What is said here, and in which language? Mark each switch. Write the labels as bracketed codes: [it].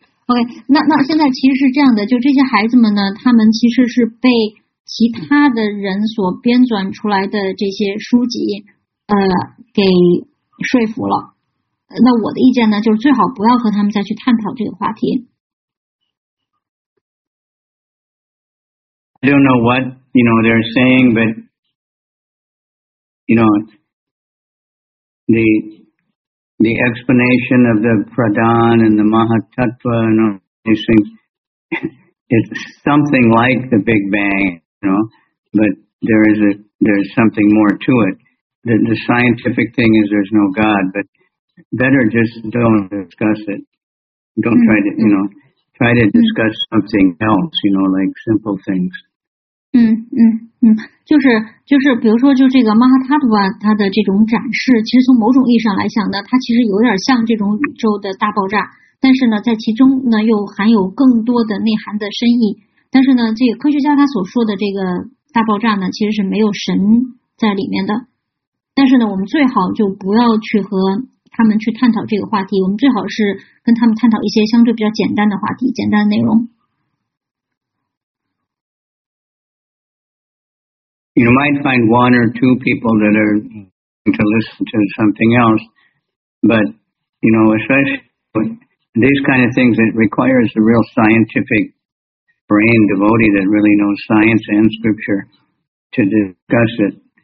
[zh] OK， 那现在其实是这样的，就这些孩子们呢，他们其实是被其他的人所编撰出来的这些书籍给说服了。那我的意见呢，就是最好不要和他们再去探讨这个话题。 [en] I don't know what, you know, they're saying, but, you know, the the explanation of the Pradhan and the Mahatattva and all these things, it's something like the Big Bang, you know, but there's something more to it. The scientific thing is there's no God, but better just don't discuss it. Don't try to, you know, try to discuss something else, you know, like simple things. [zh] 就是比如说就这个 Mahatattva 它的这种展示，其实从某种意义上来讲呢，它其实有点像这种宇宙的大爆炸，但是呢在其中呢又含有更多的内涵的深意。但是呢这个科学家他所说的这个大爆炸呢其实是没有神在里面的，但是呢我们最好就不要去和他们去探讨这个话题，我们最好是跟他们探讨一些相对比较简单的话题，简单的内容。 [en] You might find one or two people that are to listen to something else, but, you know, especially these kind of things, it requires a real scientific brain devotee that really knows science and scripture to discuss it.